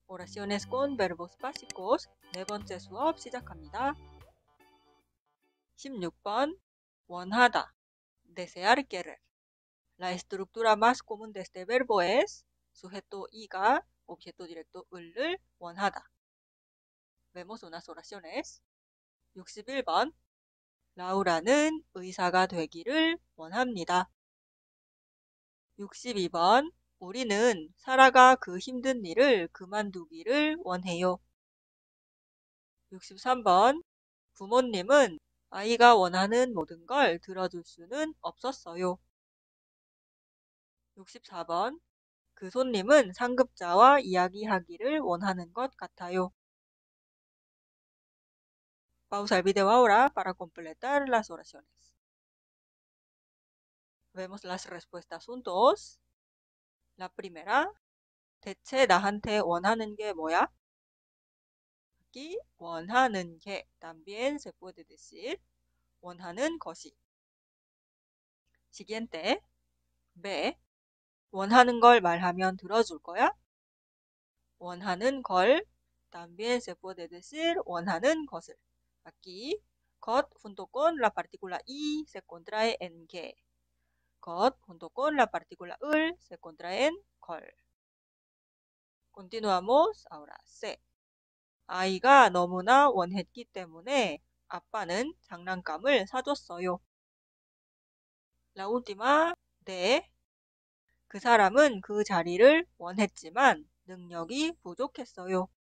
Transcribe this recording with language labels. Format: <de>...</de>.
<es>Oraciones con verbos básicos.</es> <ko>네 번째 수업 시작합니다. 16번. 원하다.</ko> <es>Desear querer. La estructura más común de este verbo es sujeto y가 objeto directo el을 원하다. Vemos unas oraciones. 61번.</es> <ko>Laura는 의사가 되기를 원합니다. 62번. 우리는 사라가 그 힘든 일을 그만두기를 원해요. 63번. 부모님은 아이가 원하는 모든 걸 들어줄 수는 없었어요. 64번. 그 손님은 상급자와 이야기하기를 원하는 것 같아요.</ko> <es>Pausa el video ahora para completar las oraciones. Vemos las respuestas juntos. La primera.</es> <ko>대체 나한테 원하는 게 뭐야? 이 원하는 게</ko> <es>también se puede decir</es> <ko>원하는 것이.</ko> <es>Siguiente. B.</es> <ko>원하는 걸 말하면 들어줄 거야? 원하는 걸</ko> <es>también se puede decir</es> <ko>원하는 것을.</ko> <es>Aquí, got junto con la partícula y se contrae en que. Got junto con la partícula el se contrae en col. Continuamos ahora. C.</es> <ko>아이가 너무나 원했기 때문에 아빠는 장난감을 사줬어요.</ko> <es>La última. D.</es> <ko>그 사람은 그 자리를 원했지만 능력이 부족했어요.</ko>